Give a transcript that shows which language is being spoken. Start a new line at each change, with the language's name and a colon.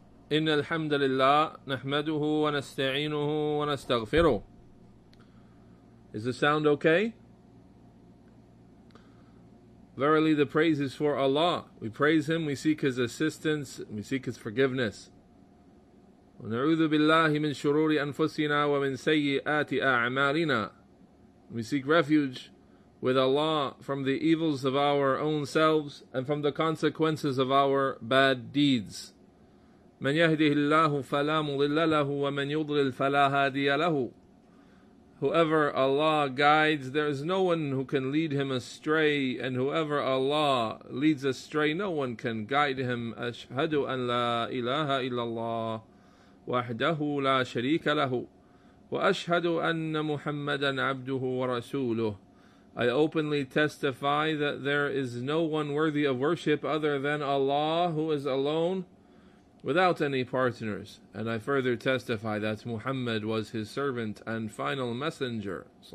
Arabic: إن الحمد لله نحمده ونستعينه ونستغفره.
English: Is the sound okay? Verily the praise is for Allah. We praise Him, we seek His assistance, we seek His forgiveness.
Arabic: ونعوذ بالله من شرور أنفسنا ومن سيئات أعمالنا.
English: We seek refuge with Allah from the evils of our own selves and from the consequences of our bad deeds.
Arabic: من يهده الله فلا مضل له ومن يضلل فلا هادي له.
English: Whoever Allah guides, there is no one who can lead him astray, and whoever Allah leads astray, no one can guide him.
Arabic: أشهد أن لا إله إلا الله وحده لا شريك له وأشهد أن محمدا عبده ورسوله.
English: I openly testify that there is no one worthy of worship other than Allah, who is alone, without any partners. And I further testify that Muhammad was his servant and final messenger.